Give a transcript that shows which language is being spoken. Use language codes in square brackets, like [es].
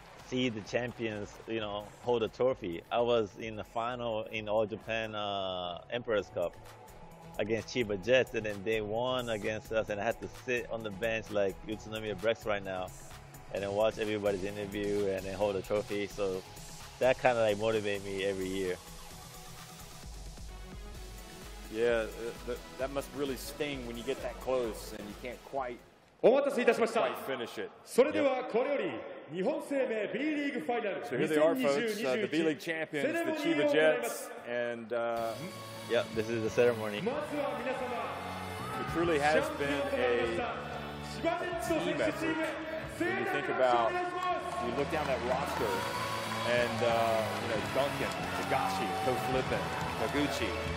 [en] See the champions, you know, hold a trophy. I was in the final in All Japan Emperor's Cup against Chiba Jets, and then they won against us, and I had to sit on the bench like Utsunomiya Brex right now, and then watch everybody's interview and then hold a trophy. So that kind of like motivated me every year. Yeah, that must really sting when you get that close and you can't quite. [ja] お待たせいたしました。 [en] Finish it. [ja] それではこれより日本生命 B リーグファイナル2020 [en] the B League champions, the Chiba Jets, and yeah, this is the ceremony. [ja] まずは皆様、 [en] it truly has been a team effort. When you think about, you look down that roster, and you know Duncan, Togashi, Koflippen, Taguchi.